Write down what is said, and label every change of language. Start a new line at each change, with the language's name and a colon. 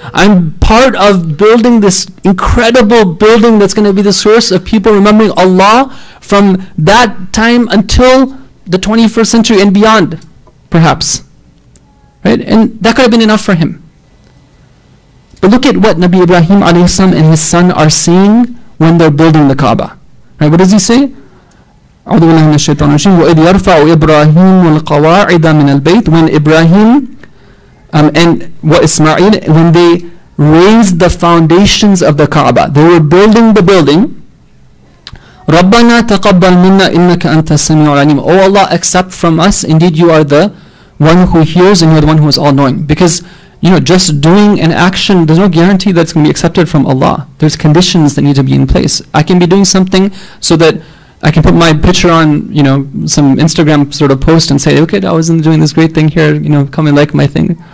English: I'm part of building this incredible building that's going to be the source of people remembering Allah from that time until the 21st century and beyond, perhaps. Right? And that could have been enough for him. But look at what Nabi Ibrahim alayhi salam and his son are saying when they're building the Kaaba. Right? What does he say?
Arabic: أعوذ بالله من الشيطان الرجيم وإذ يرفع إبراهيم القواعد من البيت.
English: When Ibrahim and Ismail, when they raised the foundations of the Kaaba, they were building the building.
Arabic: ربنا تقبل منا إنك أنت السميع العليم.
English: Oh Allah, accept from us. Indeed, you are the one who hears and you are the one who is all knowing. Because, you know, just doing an action, there's no guarantee that's going to be accepted from Allah. There's conditions that need to be in place. I can be doing something so that I can put my picture on, you know, some Instagram sort of post and say, okay, I wasn't doing this great thing here, you know, come and like my thing.